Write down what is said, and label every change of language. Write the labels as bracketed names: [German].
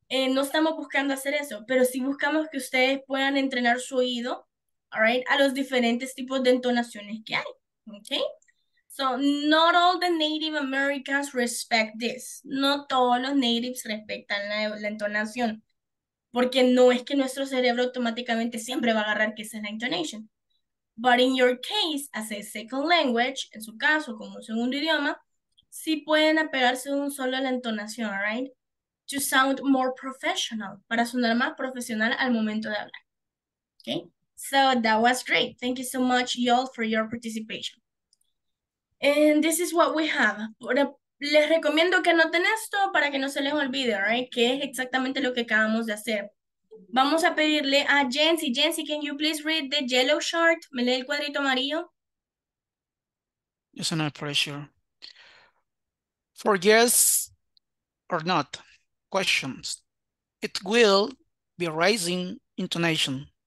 [Spanish] No estamos buscando hacer eso, pero sí buscamos que ustedes puedan entrenar su oído, right, a los diferentes tipos de entonaciones que hay, okay? [English] So, not all the Native Americans respect this. [Spanish] No todos los natives respetan la entonación. Porque no es que nuestro cerebro automáticamente siempre va a agarrar que esa es la intonation. [English] But in your case, as a second language, [Spanish] en su caso, como un segundo idioma, sí pueden apegarse un solo a la entonación, right? [English] To sound more professional, [Spanish] para sonar más profesional al momento de hablar. [English] Okay? So that was great. Thank you so much, y'all, for your participation. And this is what we have. [Spanish] Les recomiendo que anoten esto para que no se les olvide, right? Que es exactamente lo que acabamos de hacer. Vamos a pedirle a Jensi. [English] Jensi, can you please read the yellow chart? [Spanish] ¿Me lee el cuadrito amarillo? [English] It's under pressure. For yes or not questions, it will be raising intonation.